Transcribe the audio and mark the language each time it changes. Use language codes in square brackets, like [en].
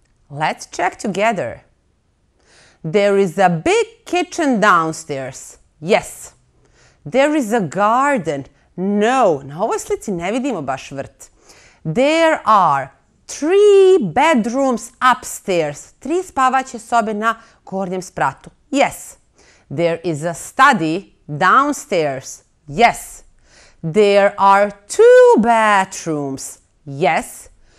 [en] Let's check together. There is a big kitchen downstairs. Yes. There is a garden. No. [sr] Na ovoj slici ne vidimo baš vrt. [en] There are 3 bedrooms upstairs. [sr] 3 spavaće sobe na gornjem spratu. Yes. [en] There is a study downstairs. Yes. There are 2 bathrooms. Yes.